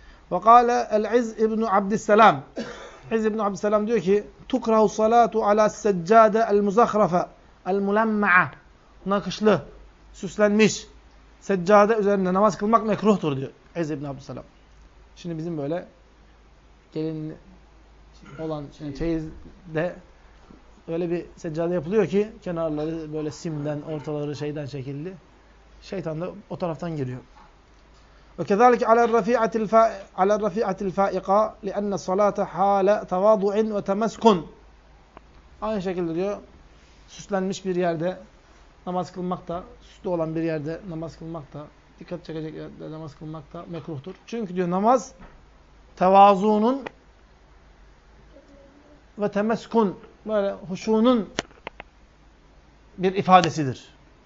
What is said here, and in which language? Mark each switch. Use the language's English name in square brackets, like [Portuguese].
[Arabic] وَقَالَ الْعِزْ اِبْنُ عَبْدِ السَّلَامِ [Turkish] İz İbn-i Abdüsselam diyor ki [Arabic] تُكْرَهُ الصَّلَاتُ عَلَى السَّجَّادَ الْمُزَخْرَفَ الْمُلَمَّعَ [Turkish] Nakışlı, süslenmiş, seccade üzerinde namaz kılmak mekruhtur diyor İz İbn-i Abdüsselam. Şimdi bizim böyle gelin olan çeyizde öyle bir seccade yapılıyor ki kenarları böyle simden, ortaları şeyden şekilli. Şeytan da o taraftan giriyor. [Arabic] وكذلك على الرفيعه الفائقه على الرفيعه الفائقه لان الصلاه حاله تواضع وتمسك. [Turkish] Aynı şekilde diyor süslenmiş bir yerde namaz kılmak da, süslü olan bir yerde namaz kılmak da, dikkat çekecek yerde namaz kılmak da mekruhtur. Çünkü diyor namaz tevazuunun ve temeskun, böyle huşunun bir ifadesidir.